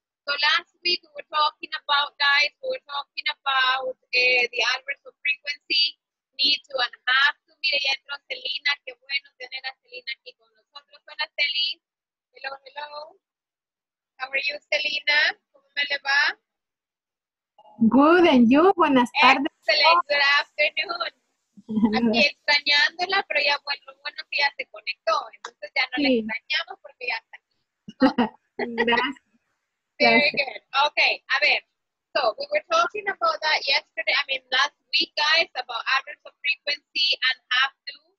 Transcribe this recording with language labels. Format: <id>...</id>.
<en>So last week we were talking about, guys, we were talking about the adverbs of frequency, need to and have to.</en> <es>Mire, ya entró Celina. Qué bueno tener a Celina aquí con nosotros. Hola,</es> <en>Celi. Hello, hello. How are you, Celina?</en> <es>¿Cómo me le va?</es> <en>Good, and you?</en> <es>Buenas tardes.</es> <en>Excellent, good afternoon.</en> <es>Aquí extrañándola, pero ya bueno, bueno que ya se conectó. Entonces ya no sí. Le extrañamos porque ya está aquí. Gracias.</es> <en>Very good. Okay,</en> <es>a ver.</es> <en>So, we were talking about that yesterday, I mean last week, guys, about adverbs of frequency and have to.</en>